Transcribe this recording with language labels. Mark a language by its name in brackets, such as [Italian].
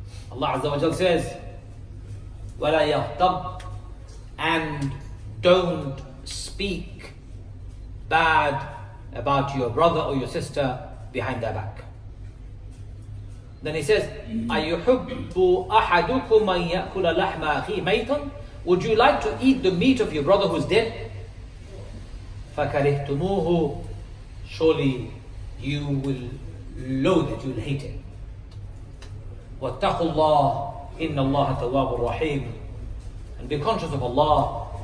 [English] Allah Azza wa Jal says, [Arabic] وَلَا يَغْتَبْ [English] and don't speak bad about your brother or your sister behind their back. [Arabic] Then he says, أَيُحُبُّ أَحَدُكُمْ مَنْ يَأْكُلَ لَحْمَ أَخِيهِ مَيْتًا. [English] Would you like to eat the meat of your brother who's dead? [Arabic] فَكَرِهْتُمُوهُ. [English] Surely you will loathe it, you'll hate it. [Arabic] وَاتَّقُوا اللَّهِ إِنَّ اللَّهَ تَوَّابُ الرَّحِيمُ. [English] And be conscious of Allah.